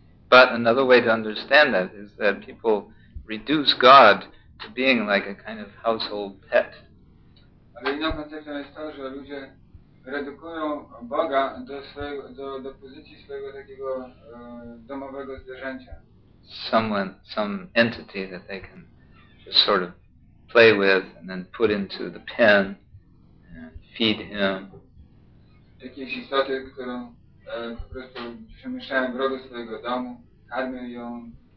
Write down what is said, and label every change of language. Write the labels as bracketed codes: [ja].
[en] But another way to understand that is that people reduce God to being like a kind of household pet. [pl] Ale inna koncepcja jest to, że ludzie redukują Boga do pozycji swojego takiego domowego zwierzęcia. [en] Some entity that they can just sort of play with and then put into the pen and feed him. [pl] Jakieś istoty, którą po prostu przemieszczają w rogu swojego domu, karmią ją.